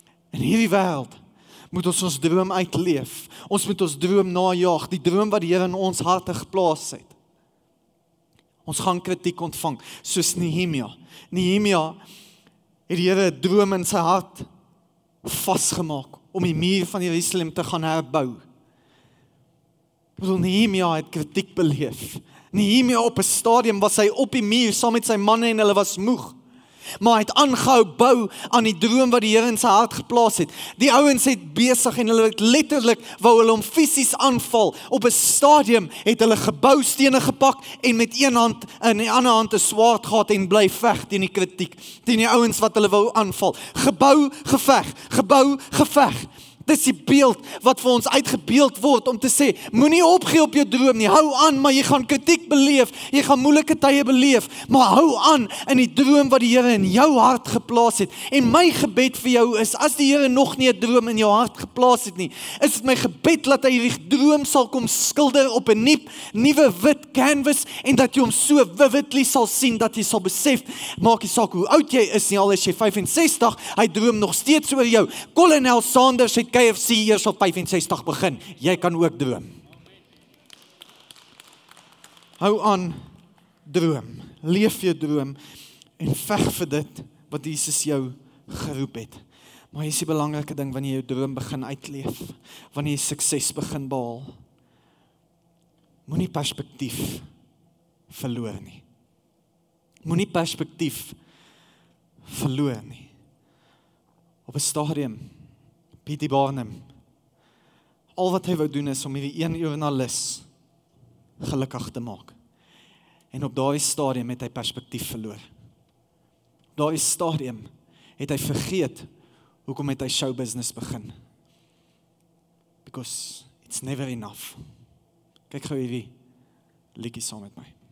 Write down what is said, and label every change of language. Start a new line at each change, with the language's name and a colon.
Afrikaans: In hierdie wêreld moet ons ons droom uitleef. Ons moet ons droom najaag, die droom wat die Here in ons harte geplaas het. Ons gaan kritiek ontvang, soos Nehemia. Nehemia het die Here 'n droom in sy hart vasgemaak om die muur van Jerusalem te gaan herbou. Bedoel, Nehemia het kritiek beleef. Nehemia op 'n stadium was hy op die muur saam met sy manne en hulle was moeg. Maar hy het aangehou bou aan die droom wat die Here in sy hart geplaas het. Die ouens het besig en hulle het letterlik wou hulle hom fisies aanval. Op 'n stadium het hulle geboustene gepak en met een hand in die ander hand 'n swaard gehad en bly veg teen die kritiek, teen die ouens wat hulle wou aanval. Gebou geveg. Dis die beeld wat vir ons uitgebeeld word om te sê, moenie opgee op jou droom nie, hou aan, maar jy gaan kritiek beleef, jy gaan moeilike tye beleef, maar hou aan in die droom wat die Here in jou hart geplaas het. En my gebed vir jou is, as die Here nog nie 'n droom in jou hart geplaas het nie, is dit my gebed dat hy die droom sal kom skilder op 'n nuwe wit canvas en dat jy hom so vividly sal sien, dat jy sal besef, maak nie saak hoe oud jy is nie, al is jy 65, hy droom nog steeds oor jou. Kolonel Sanders KFC eers op 65 begin. Jy kan ook droom. Amen. Hou aan droom. leef jou droom en veg vir dit wat Jesus jou geroep het. Maar hier is die belangrike ding wanneer jy jou droom begin uitleef, wanneer jy sukses begin behaal. Moenie perspektief verloor nie. Moenie perspektief verloor nie. Op 'n stadium, P.T. Barnum, al wat hy wou doen is om hierdie een joernalis gelukkig te maak. En op daai stadium het hy perspektief verloor. Daai stadium het hy vergeet hoekom het hy show business begin.
English: Because it's never enough.
Afrikaans: Kyk gou hierdie liedjie saam met my.